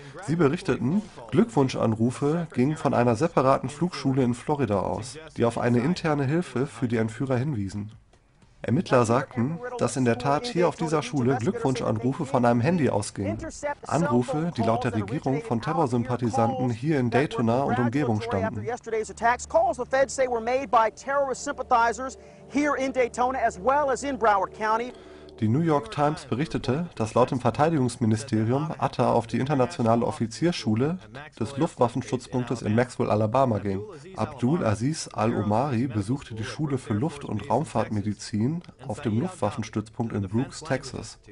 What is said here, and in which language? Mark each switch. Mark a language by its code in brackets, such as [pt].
[de] Sie berichteten, Glückwunschanrufe gingen von einer separaten Flugschule in Florida aus, die auf eine interne Hilfe für die Entführer hinwiesen. Ermittler sagten, dass in der Tat hier auf dieser Schule Glückwunschanrufe von einem Handy ausgingen. Anrufe, die laut der Regierung von Terrorsympathisanten hier in Daytona und Umgebung stammten. [en] Calls the feds say were made by terrorist sympathizers here in Daytona as well as in Broward County. [de] Die New York Times berichtete, dass laut dem Verteidigungsministerium Atta auf die internationale Offizierschule des Luftwaffenstützpunktes in Maxwell, Alabama ging. Abdul Aziz Al-Omari besuchte die Schule für Luft- und Raumfahrtmedizin auf dem Luftwaffenstützpunkt in Brooks, Texas.